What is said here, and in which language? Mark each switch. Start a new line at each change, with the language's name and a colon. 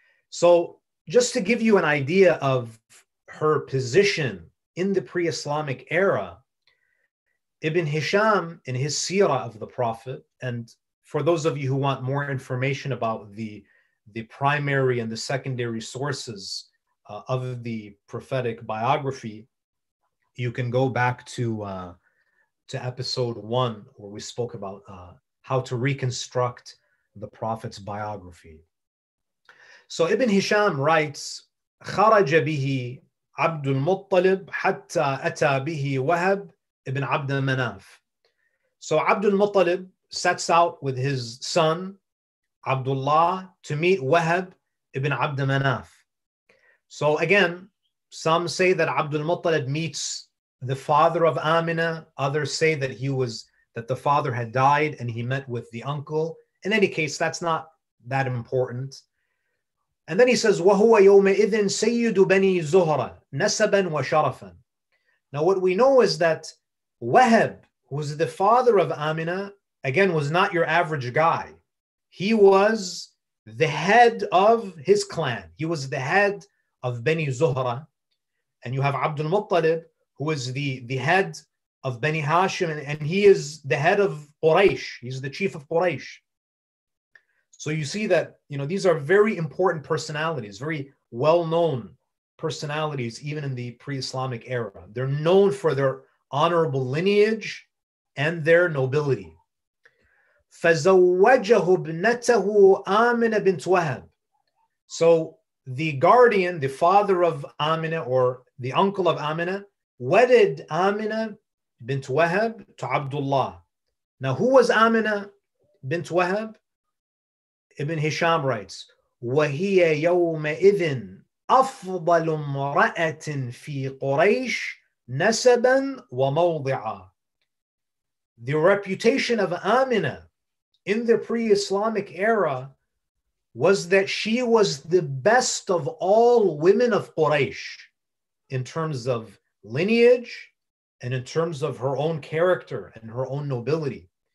English: So just to give you an idea of her position in the pre-Islamic era, Ibn Hisham, in his Sirah of the Prophet, and for those of you who want more information about the primary and the secondary sources of the prophetic biography, you can go back to episode one, where we spoke about how to reconstruct the Prophet's biography. So Ibn Hisham writes,
Arabic: خرج به عبد المطلب حتى أتى به وهب ابن عبد مناف.
English: So عبد المطلب sets out with his son, Abdullah, to meet Wahab ibn Abd Manaf. So again, some say that عبد المطلب meets the father of Amina. Others say that that the father had died and he met with the uncle. In any case, that's not that important. And then he says,
Arabic: وَهُوَ يَوْمَئِذٍ سَيِّدُ بَنِي زُهْرَ نَسَبًا وَشَرَفًا.
English: Now what we know is that Wahab, who was the father of Amina, again, was not your average guy. He was the head of his clan. He was the head of Bani Zuhra. And you have Abdul Muttalib, who is the head of Bani Hashim, and he is the head of Quraysh. He's the chief of Quraysh. So you see that, you know, these are very important personalities, very well-known personalities, even in the pre-Islamic era. They're known for their honorable lineage and their nobility.
Arabic: فَزَوَّجَهُ بْنَتَهُ آمِنَ بِنْتُ وَهَبْ.
English: So the guardian, the father of Amina, or the uncle of Amina, wedded Amina bint Wahab to Abdullah. Now, who was Amina bint Wahab? Ibn Hisham writes,
Arabic: وَهِيَ يَوْمَئِذٍ أَفْضَلُ مْرَأَةٍ فِي قُرَيْشِ نَسَبًا وَمَوْضِعًا.
English: The reputation of Amina in the pre-Islamic era was that she was the best of all women of Quraysh in terms of lineage and in terms of her own character and her own nobility.